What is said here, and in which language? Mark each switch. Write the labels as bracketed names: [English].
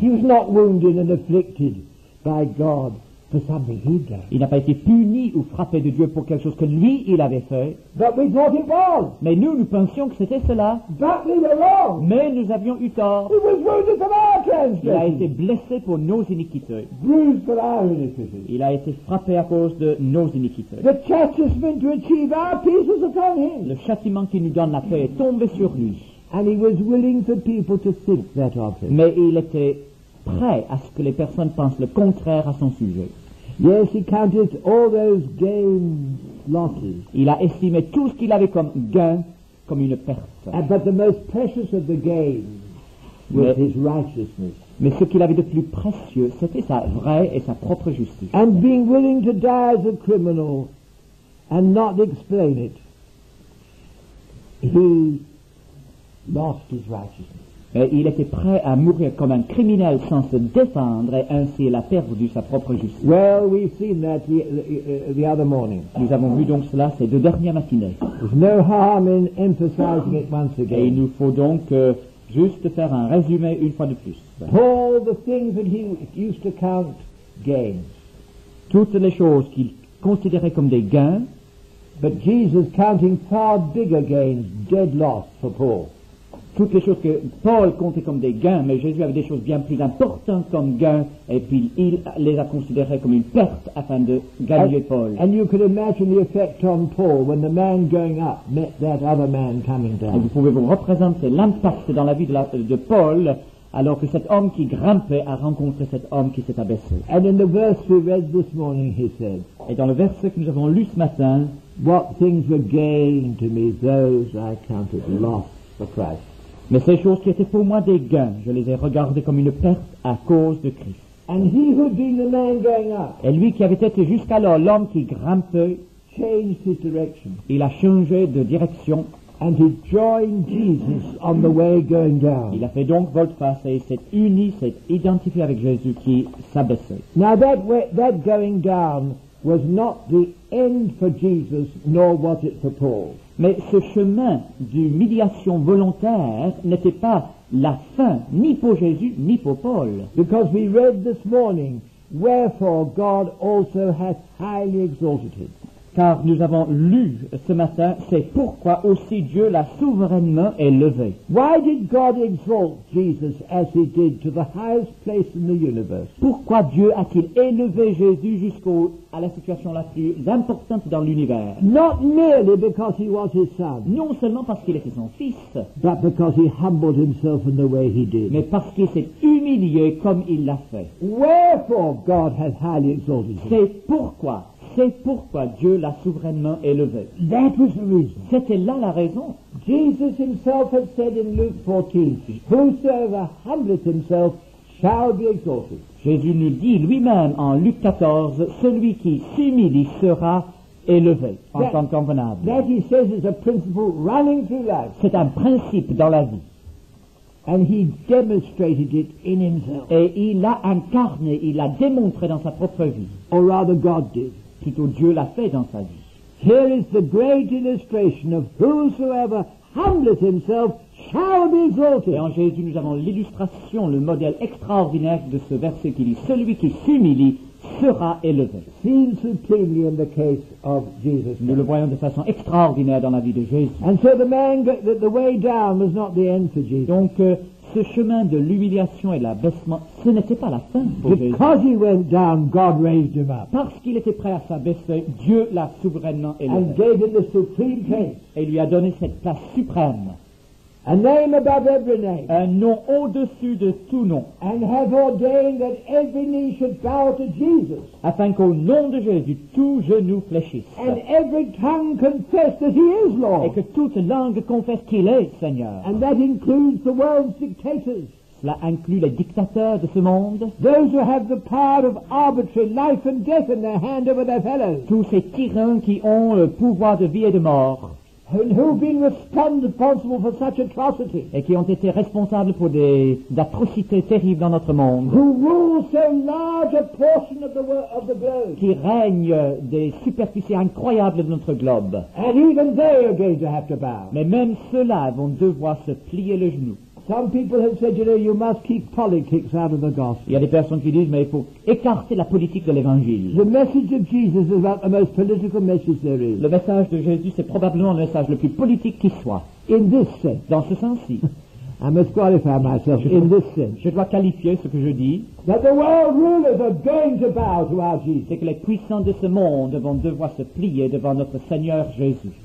[English] He was not wounded and afflicted by God for something he'd done. [French] Il n'a pas été puni ou frappé de Dieu pour quelque chose que lui, il avait fait. [English] But we thought it was. [French] Mais nous, nous pensions que c'était cela. [English] But we were wrong. [French] Mais nous avions eu tort. [English] He was wounded for our transgressions. [French] Il a été blessé pour nos iniquités. [English] Bruised for our iniquities. [French] Il a été frappé à cause de nos iniquités. [English] The chastisement to achieve our peace was upon him. [French] Le châtiment qui nous donne la paix est tombé sur lui. [English] And he was willing for people to think that of him. [French] Mais il était prêt à ce que les personnes pensent le contraire à son sujet. [English] Yes, he counted all those gains losses. [French] Il a estimé tout ce qu'il avait comme gain comme une perte. [English] But the most precious of the gains was his righteousness. [French] Mais ce qu'il avait de plus précieux, c'était sa vraie et sa propre justice. [English] And being willing to die as a criminal and not explain it, he lost his righteousness. [French] Et il était prêt à mourir comme un criminel sans se défendre et ainsi il a perdu sa propre justice. [English] Well, we've seen that the other morning. [French] Nous avons vu donc cela ces deux dernières matinées. [English] No harm in emphasizing it once again. [French] Et il nous faut donc juste faire un résumé une fois de plus. [English] All the things that he used to count gains. [French] Toutes les choses qu'il considérait comme des gains. [English] But Jesus counting far bigger gains, dead loss for Paul. [French] Toutes les choses que Paul comptait comme des gains, mais Jésus avait des choses bien plus importantes comme gains, et puis il les a considérées comme une perte afin de gagner Paul. [English] And you could imagine the effect on Paul when the man going up met that other man coming down. [French] Et vous pouvez vous représenter l'impact dans la vie de Paul alors que cet homme qui grimpait a rencontré cet homme qui s'est abaissé. [English] And in the verse we read this morning, he said. [French] Et dans le verset que nous avons lu ce matin, [English] what things were gained to me, those I counted loss for Christ. [French] Mais ces choses qui étaient pour moi des gains, je les ai regardées comme une perte à cause de Christ. [English] And he who'd been the man going up, [French] et lui qui avait été jusqu'alors l'homme qui grimpait, [English] changed his direction. [French] Il a changé de direction. [English] And he joined Jesus on the way going down. [French] Il a fait donc volte-face et s'est uni, s'est identifié avec Jésus qui s'abaissait. [English] Now that way, that going down was not the end for Jesus, nor was it for Paul. [French] Mais ce chemin d'humiliation volontaire n'était pas la fin, ni pour Jésus, ni pour Paul. [English] Because we read this morning, wherefore God also hath highly exalted him. [French] Car nous avons lu ce matin, c'est pourquoi aussi Dieu l'a souverainement élevé. [English] Why did God exalt Jesus as he did to the highest place in the universe? [French] Pourquoi Dieu a-t-il élevé Jésus jusqu'à la situation la plus importante dans l'univers? [English] Not merely because he was his son. [French] Non seulement parce qu'il était son fils. [English] But because he humbled himself in the way he did. [French] Mais parce qu'il s'est humilié comme il l'a fait. [English] Wherefore God hath highly exalted him. [French] C'est pourquoi. C'est pourquoi Dieu l'a souverainement élevé. [English] That was the reason. [French] C'était là la raison. [English] Jesus himself had said in Luke 14, whosoever humbleth himself shall be exalted. [French] Jésus nous dit lui-même en Luc 14, celui qui s'humilie sera élevé en tant qu'envenable. [English] That he says is a principle running through life. [French] C'est un principe dans la vie. [English] And he demonstrated it in himself. [French] Et il l'a incarné, il l'a démontré dans sa propre vie. [English] Or rather God did. [French] Plutôt Dieu l'a fait dans sa vie. [English] Here is the great illustration of whosoever humbleth himself shall be exalted. [French] Et en Jésus, nous avons l'illustration, le modèle extraordinaire de ce verset qui dit, celui qui s'humilie sera élevé. [English] Seen supremely in the case of Jesus. [French] Nous le voyons de façon extraordinaire dans la vie de Jésus. [English] And so the way down was not the end for Jesus. [French] Donc, ce chemin de l'humiliation et de l'abaissement, ce n'était pas la fin pour Jésus. [English] Because he went down, God raised him up. [French] Parce qu'il était prêt à s'abaisser, Dieu l'a souverainement élevé. [English] And gave him the supreme place. [French] Et lui a donné cette place suprême. [English] A name above every name. [French] Un nom au-dessus de tout nom. [English] And have ordained that every knee should bow to Jesus. [French] Afin qu'au nom de Jésus, tout genou fléchisse. [English] And every tongue confess that he is Lord. [French] Et que toute langue confesse qu'il est Seigneur. [English] And that includes the world's dictators. [French] Cela inclut les dictateurs de ce monde. [English] Those who have the power of arbitrary life and death in their hand over their fellows. [French] Tous ces tyrans qui ont le pouvoir de vie et de mort. [English] And who have been responsible for such atrocities? [French] Et qui ont été responsables pour des atrocités terribles dans notre monde? [English] Who rule so large a portion of the globe? [French] Qui règne des superficies incroyables de notre globe? [English] And even they are going to have to bow. [French] Mais même ceux-là vont devoir se plier le genou. [English] Some people have said, you know, you must keep politics out of the gospel. [French] Il y a des personnes qui disent, mais il faut écarter la politique de l'évangile. [English] The message of Jesus is about the most political message there is. [French] Le message de Jésus, c'est probablement le message le plus politique qui soit. [English] In this sense. [French] Dans ce sens-ci. [English] I must qualify myself in this sense. [French] Je dois qualifier ce que je dis. [English] That the world rulers are going to bow to our Jesus. [French] C'est que les puissants de ce monde vont devoir se plier devant notre Seigneur Jésus.